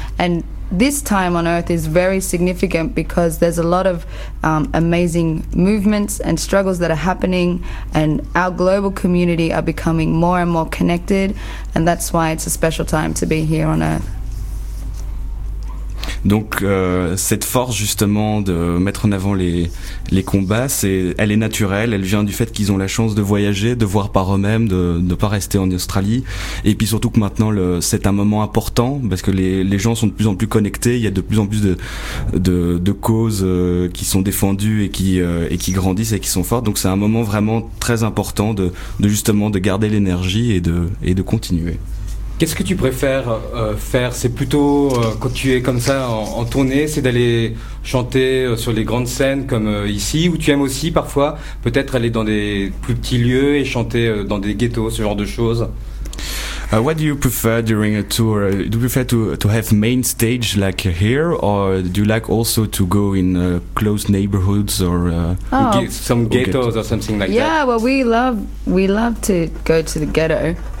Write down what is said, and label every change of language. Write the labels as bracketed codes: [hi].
[en] And this time on Earth is very significant because there's a lot of amazing movements and struggles that are happening, and our global community are becoming more and more connected, and that's why it's a special time to be here on Earth. [fr] Donc cette force justement de mettre en avant les combats, elle est naturelle, elle vient du fait qu'ils ont la chance de voyager, de voir par eux-mêmes, de ne pas rester en Australie, et puis surtout que maintenant c'est un moment important, parce que les gens sont de plus en plus connectés, il y a de plus en plus de causes qui sont défendues et qui grandissent et qui sont fortes, donc c'est un moment vraiment très important de garder l'énergie et de continuer. Qu'est-ce que tu préfères faire? C'est plutôt quand tu es comme ça en tournée, c'est d'aller chanter sur les grandes scènes comme ici, ou tu aimes aussi parfois peut-être aller dans des plus petits lieux et chanter dans des ghettos, ce genre de choses? [en] What do you prefer during a tour? Do you prefer to have main stage like here, or do you like also to go in close neighborhoods or some ghettos or something like that? Yeah, well, we love to go to the ghetto.